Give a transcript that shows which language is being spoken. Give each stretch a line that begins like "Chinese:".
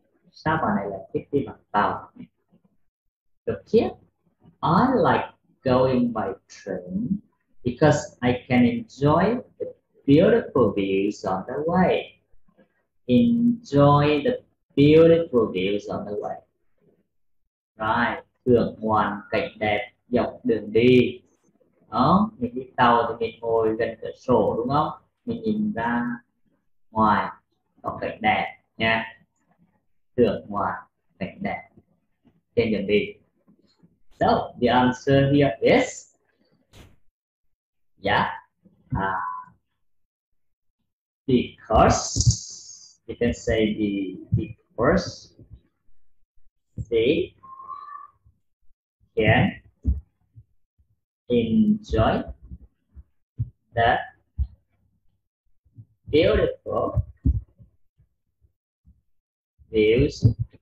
Vietnamese: Sao bà này lại thích đi bằng tàu? Được chưa?
English: I like going by train because I can enjoy the beautiful views on the way. Enjoy the beautiful views on the way.
Vietnamese: Right, thưởng ngoạn cảnh đẹp dọc đường đi. Đó, mình đi tàu thì mình ngồi gần cửa sổ đúng không? Mình nhìn ra ngoài, có cảnh đẹp nha. Thưởng ngoạn cảnh đẹp trên đường đi.
English: So, the answer here is because you can say because she can enjoy the beautiful views.